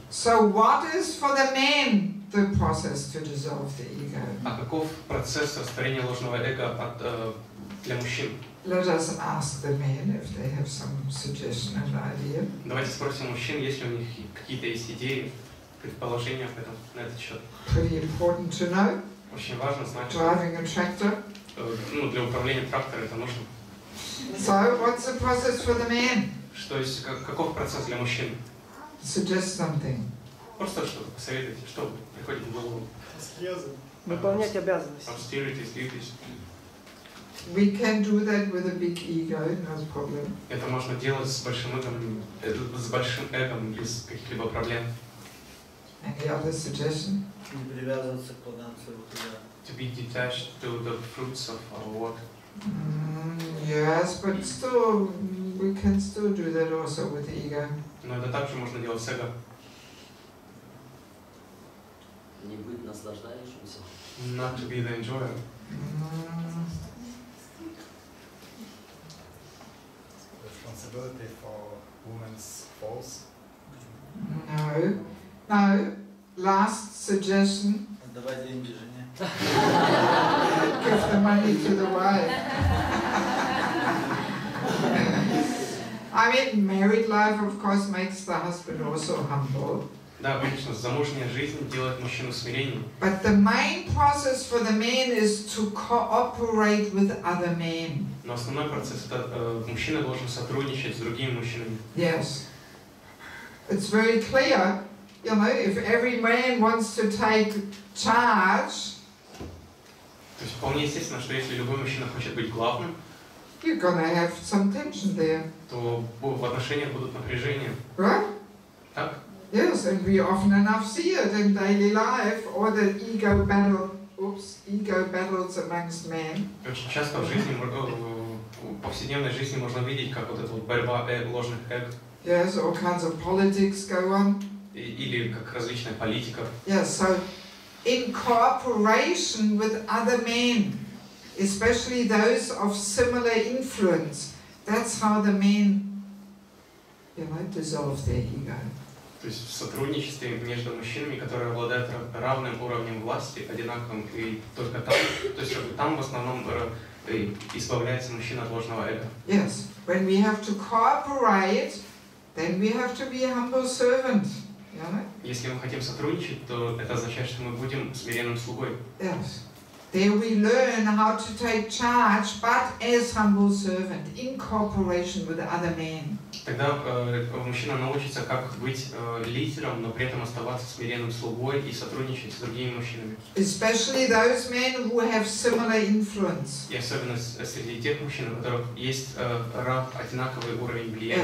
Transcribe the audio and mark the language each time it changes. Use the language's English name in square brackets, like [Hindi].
[English] So what is for the men the process to dissolve the ego? [Russian] А каков процесс растворения ложного эго для мужчин? [English] Let us ask the men if they have some suggestion or idea. [Russian] Давайте спросим мужчин, есть ли у них какие-то есть идеи, предположения на этот счет. [English] Pretty important to know. [Russian] Очень важно знать. [English] Driving a tractor. [Russian] Для управления трактором это нужно. [English] So, what's the process for the men? [Russian] Что есть, каков процесс для мужчин? [English] Suggest something. [Russian] Просто что посоветуйте, что приходит в голову. Выполнять обязанности. [English] Austerities, duties. We can do that with a big ego, no problem. [Russian] Это можно делать с большим эгом без каких-либо проблем. [English] Any other suggestion? [Russian] Не привязываться к плодам своего труда. [English] To be detached to the fruits of our work. Yes, but still, we can still do that also with ego. [Russian] Но это также можно делать с эго. Не быть наслаждающимся. [English] Not to be the enjoyer. Responsibility for women's faults? No. No. Last suggestion. [Russian] Давай деньги жене. [English] Give the money to the wife. I mean, married life, of course, makes the husband also humble. [Russian] Да, конечно, замужняя жизнь делает мужчину смиренным. [English] But the main process for the man is to cooperate with other men. [Russian] Но основной процесс это мужчина должен сотрудничать с другими мужчинами. [English] Yes. It's very clear, you know, if every man wants to take charge. [Russian] То есть вполне естественно, что если любой мужчина хочет быть главным. [English] you're gonna have some tension there. [Russian] То в отношениях будут напряжения. [English] Right? [Russian] Так. [English] Yes, and we often enough see it in daily life, or the ego battle. Oops, ego battles amongst men. [Russian] Очень часто в жизни, в повседневной жизни можно видеть, как вот эта вот борьба ложных эго. [English] Yes, all kinds of politics go on. [Russian] Или как различная политика. [English] Yes, so in cooperation with other men, especially those of similar influence, that's how the men, you know, dissolve their ego. [Russian] То есть в сотрудничестве между мужчинами, которые обладают равным уровнем власти, одинаковым, и только там, то есть там в основном избавляется мужчина от ложного эго. [English] Yes, when we have to cooperate, then we have to be a humble servant. Yeah. [Russian] Если мы хотим сотрудничать, то это означает, что мы будем смиренным слугой. [English] Yes. There we learn how to take charge, but as humble servant, in cooperation with other men. [Russian] Тогда мужчина научится, как быть лидером, но при этом оставаться смиренным слугой и сотрудничать с другими мужчинами. [English] Especially those men who have similar influence. [Russian] И особенно среди тех мужчин, у которых есть одинаковый уровень влияния.